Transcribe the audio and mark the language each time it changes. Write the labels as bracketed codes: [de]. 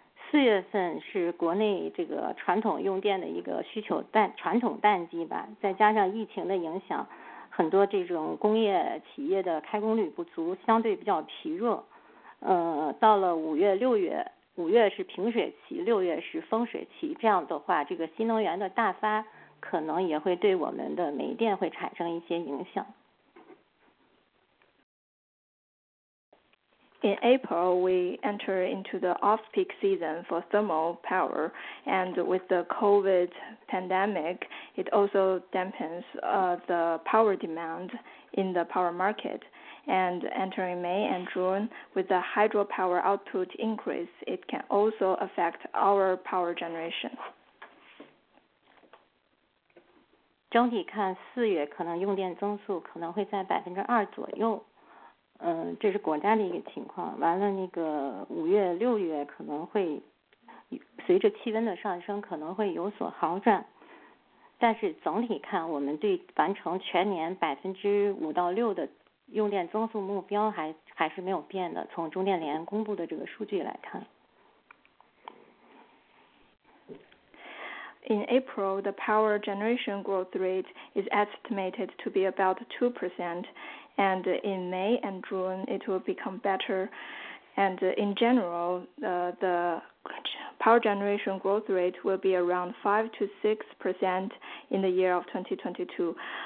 [zh] 四月份是国内这个传统用电的一个需求淡传统淡季吧，再加上疫情的影响，很多这种工业企业的开工率不足，相对比较疲弱。到了五月六月，五月是平水期，六月是丰水期，这样的话，这个新能源的大发可能也会对我们的煤电会产生一些影响。 [en] In April, we enter into the off-peak season for thermal power, and with the COVID pandemic, it also dampens the power demand in the power market. And entering May and June, with the hydropower output increase, it can also affect our power generation. [zh] 整体看四月可能用电增速可能会在2%左右。这是国家的一个情况，完了那个五月六月可能会随着气温的上升可能会有所好转，但是总体看我们对完成全年5%-6%的用电增速目标还是没有变的，从中电联公布的这个数据来看。 [en] In April, the power generation growth rate is estimated to be about 2%, and in May and June, it will become better. And in general, the power generation growth rate will be around 5-6% in the year of 2022.